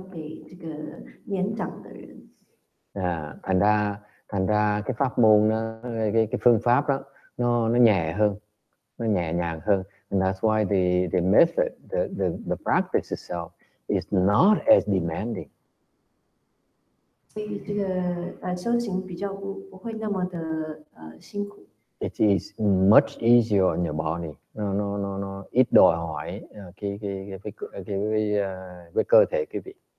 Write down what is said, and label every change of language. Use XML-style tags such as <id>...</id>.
<zh>所以因为这个念佛名号的法门是比较给这个年长的人。</zh> <vi>À, thành ra cái pháp môn đó, cái phương pháp đó nó nhẹ hơn, nó nhẹ nhàng hơn.</vi> <en>And that's why the method, the practice itself is not as demanding.</en> <zh>所以这个修行比较不会那么的辛苦。</zh> <en>It is much easier on your body. No.</en> <vi>Ít đòi hỏi cái cơ thể quý vị.</vi>